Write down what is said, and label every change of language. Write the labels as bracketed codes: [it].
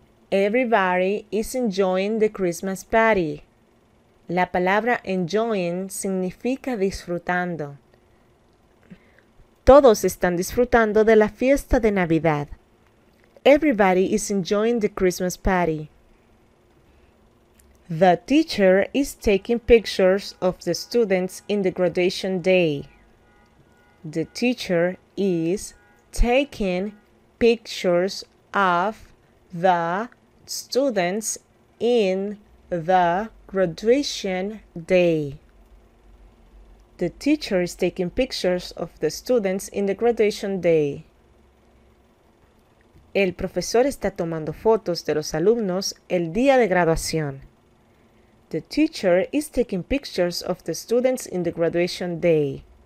[en] Everybody is enjoying the Christmas party. [es] La palabra enjoying significa disfrutando. Todos están disfrutando de la fiesta de Navidad. [en] Everybody is enjoying the Christmas party. The teacher is taking pictures of the students in the graduation day. The teacher is taking pictures of the students in the graduation day. The teacher is taking pictures of the students in the graduation day. [es] El profesor está tomando fotos de los alumnos el día de graduación. [en] The teacher is taking pictures of the students in the graduation day.